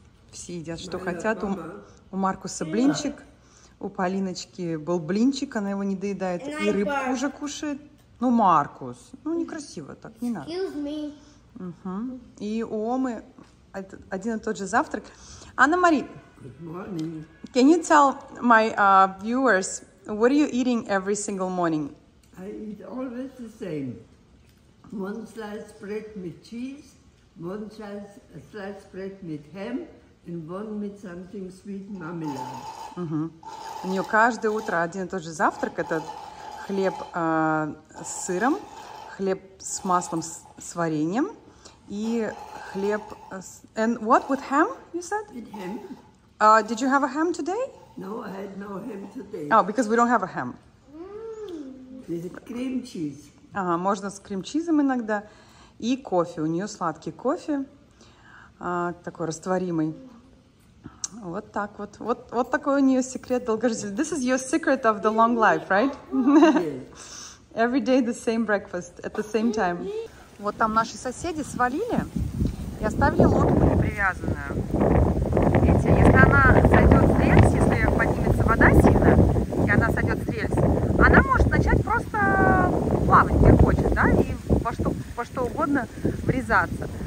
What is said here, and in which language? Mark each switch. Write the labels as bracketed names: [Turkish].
[Russian] Все едят, что хотят. У Маркуса блинчик. У Полиночки был блинчик, она его не доедает. И рыбку уже кушает. Ну, Маркус, ну, некрасиво так, не надо. Угу. И у Омы один и тот же завтрак. [English] Анна-Мари, can you tell my viewers, what are you eating every single morning? I eat always the same. One slice bread with cheese, one slice bread with ham, and one with something sweet marmalade. [Russian] У нее каждое утро один и тот же завтрак. Это хлеб с сыром, хлеб с маслом с вареньем и хлеб с... [English] And what with ham, you said? With ham. Did you have a ham today? No, I had no ham today. Oh, because we don't have a ham. Mm. With cream cheese. [Russian] Ага, можно с крем-чизом иногда. И кофе. У нее сладкий кофе. Такой растворимый. Вот так вот. Вот такой у нее секрет долгожителя. [English] This is your secret of the long life, right? Every day the same breakfast at the same time. [Russian] Вот там наши соседи свалили и оставили лодку непривязанную. Видите, если она сойдет с рельс, если поднимется вода сильно, и она сойдет с рельс, она может начать просто плавать, где хочет, да, и во что угодно врезаться.